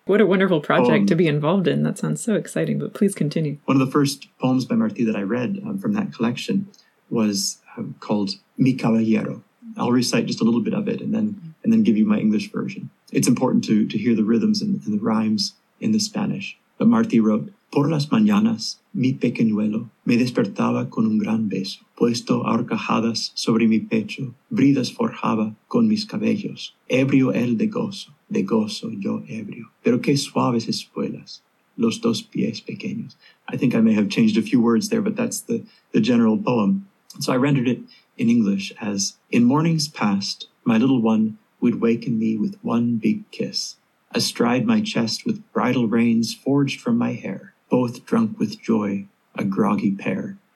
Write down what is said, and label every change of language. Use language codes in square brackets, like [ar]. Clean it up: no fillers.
[en] What a wonderful project to be involved in. That sounds so exciting, but please continue. One of the first poems by Martí that I read from that collection was called Mi Caballero. I'll recite just a little bit of it and then give you my English version. It's important to hear the rhythms and the rhymes in the Spanish. But Martí wrote, [es] Por las mañanas, mi pequeñuelo me despertaba con un gran beso, puesto arcajadas sobre mi pecho, bridas forjaba con mis cabellos, ebrio él de gozo yo ebrio, pero qué suaves espuelas, los dos pies pequeños. [en] I think I may have changed a few words there, but that's the general poem. So I rendered it in English as, In mornings past, my little one would waken me with one big kiss, astride my chest with bridal reins forged from my hair, both drunk with joy, a groggy pair.